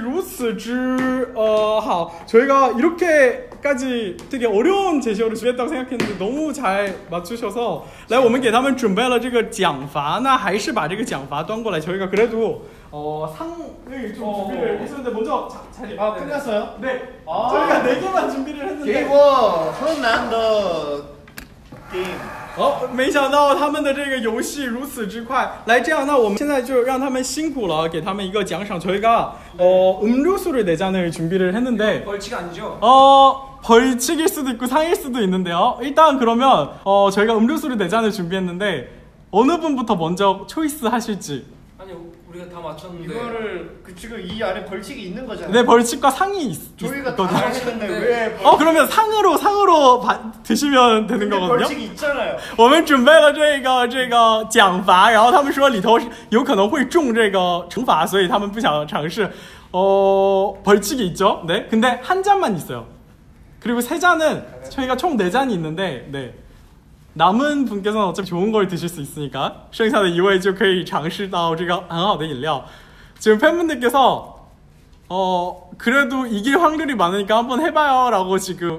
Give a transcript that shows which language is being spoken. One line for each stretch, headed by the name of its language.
Chinese: 来，没想到这两位的默契如此之好。
Korean: 저희가 이렇게까지 되게 어려운 제시어를 준비했다고 생각했는데 너무 잘 맞추셔서
Chinese: 来，我们给他们准备了这个奖罚，那还是把这个奖罚端过来。
Korean: 저희가 그래도 상을 좀 준비를 했었는데 먼저 자리. 아 끝났어요? 네. 아, 저희가 네 개만 준비를 했는데. 그리고 손난더 게임.
Chinese: 어没想到他们的这个游戏如此之快来这样那我们现在就让他们辛苦了给他们一个奖赏
Korean: 저희가 네. 음료수를 네 잔을 준비를 했는데 벌칙 아니죠? 벌칙일 수도 있고 상일 수도 있는데요. 일단 그러면 저희가 음료수를 네 잔을 준비했는데 어느 분부터 먼저 초이스 하실지. 아니 우리가 다 맞췄는데 이거를 그 지금 이 아래 벌칙이 있는 거잖아요. 네 벌칙과 상이 저희가 다 맞췄는데 왜 벌칙. 그러면 상으로 드시면 되는 거거든요. 벌칙 있잖아요.
Chinese: 我们准备了这个 奖罚 然后他们说里头有可能会中这个惩罚所以他们不想尝试
Korean: 벌칙이 있죠. 네 근데 한 잔만 있어요. 그리고 세 잔은 저희가 총 네 잔이 있는데 네 남은 분께서는 어차피 좋은 걸 드실 수 있으니까
Chinese: 剩下的 이位就可以尝试到这个很好的饮料.
Korean: 지금 팬분들께서 그래도 이길 확률이 많으니까 한번 해봐요 라고 지금.